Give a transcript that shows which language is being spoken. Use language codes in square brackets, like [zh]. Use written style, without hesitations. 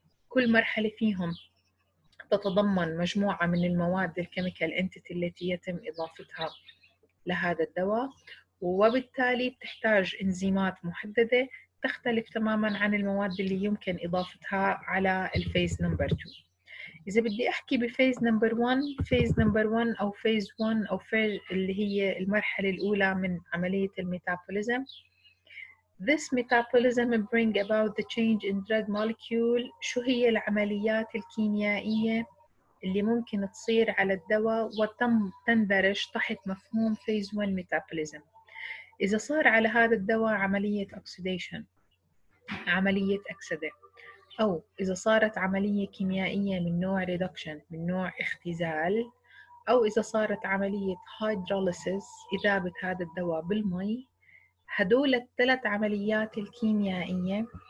[ar] كل مرحلة فيهم تتضمن مجموعة من المواد الكيميكال انتيتي التي يتم إضافتها لهذا الدواء، وبالتالي تحتاج إنزيمات محددة تختلف تماماً عن المواد اللي يمكن إضافتها على الفيز نمبر 2. إذا بدي أحكي بفيز نمبر 1، فيز نمبر 1 أو فيز 1 أو فيز اللي هي المرحلة الأولى من عملية الميتابوليزم. [en] This metabolism bring about the change in drug molecule. [ar] شو هي العمليات الكيميائية اللي ممكن تصير على الدواء وتم تندرج تحت مفهوم [en] phase 1 metabolism. [ar] إذا صار على هذا الدواء عملية oxidation، عملية أكسدة، أو إذا صارت عملية كيميائية من نوع reduction، من نوع اختزال، أو إذا صارت عملية hydrolysis، إذابة هذا الدواء بالماء، هدول الثلاث عمليات الكيميائية،